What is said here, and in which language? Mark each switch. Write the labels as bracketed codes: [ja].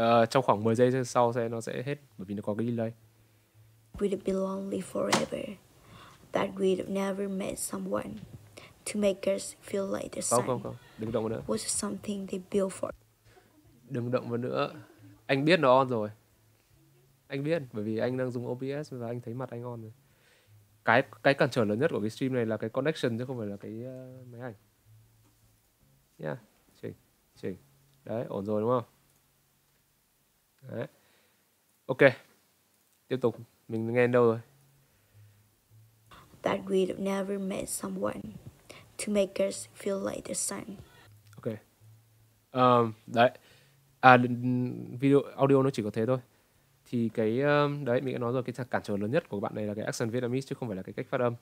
[vi] Trong khoảng 10 giây sau sẽ nó sẽ hết bởi vì nó có cái delay. [en] We'd be lonely forever, that we'd never met someone to make us feel like the sun. [vi] Không, đừng động vào nữa. [en] Was something they built for. [vi] Đừng động vào nữa. Anh biết nó on rồi. Anh biết, bởi vì anh đang dùng OBS và anh thấy mặt anh on rồi. Cái cản trở lớn nhất của cái stream này là cái connection chứ không phải là cái máy ảnh. Nha, yeah. chỉnh. Đấy, ổn rồi đúng không? Đấy. Ok, tiếp tục. Mình nghe đâu rồi? [en] That we'd never met someone to make us feel like the sun. [vi] Ok. Đấy. À, video audio nó chỉ có thế thôi. Thì cái đấy mình đã nói rồi, cái cản trở lớn nhất của bạn này là cái accent Vietnamese chứ không phải là cái cách phát âm.